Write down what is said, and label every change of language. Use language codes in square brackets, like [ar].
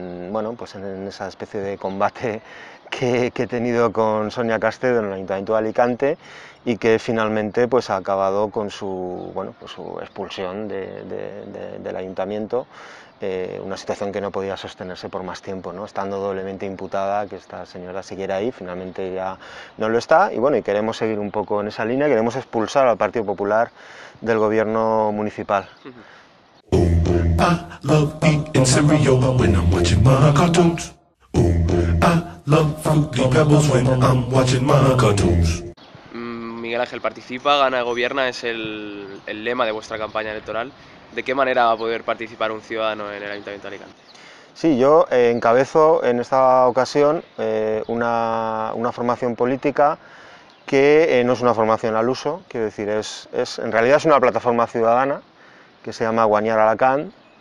[es] bueno, pues en esa especie de combate que he tenido con Sonia Castedo en el Ayuntamiento de Alicante y que finalmente pues ha acabado con bueno, pues su expulsión del Ayuntamiento, una situación que no podía sostenerse por más tiempo, ¿no? Estando doblemente imputada que esta señora siguiera ahí, finalmente ya no lo está y bueno, y queremos seguir un poco en esa línea, queremos expulsar al Partido Popular del gobierno municipal. [en] I love eating cereal when I'm watching my cartoons. I love fruity pebbles when I'm watching my cartoons. [es] Miguel Ángel, participa, gana, gobierna, es el lema de vuestra campaña electoral. ¿De qué manera va a poder participar un ciudadano en el Ayuntamiento de Alicante? Sí, yo encabezo en esta ocasión una formación política que no es una formación al uso, quiero decir, en realidad es una plataforma ciudadana que se llama Guañar Alacant,